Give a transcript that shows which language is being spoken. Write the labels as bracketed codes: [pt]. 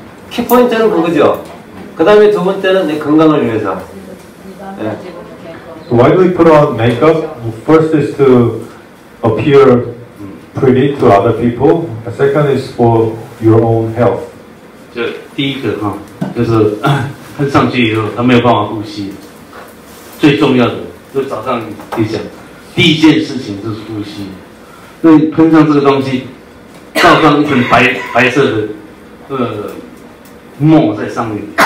[ko] 키포인트는 그거죠. 그 다음에 두 번째는 내 건강을 위해서. [en] 네. Why do we put on makeup? First is to appear pretty to other people. Second is for your own health. [zh] 这第一个哈，就是喷上去以后他没有办法呼吸。最重要的，就早上你讲，第一件事情就是呼吸。所以喷上这个东西，倒上一层白色的墨在上面。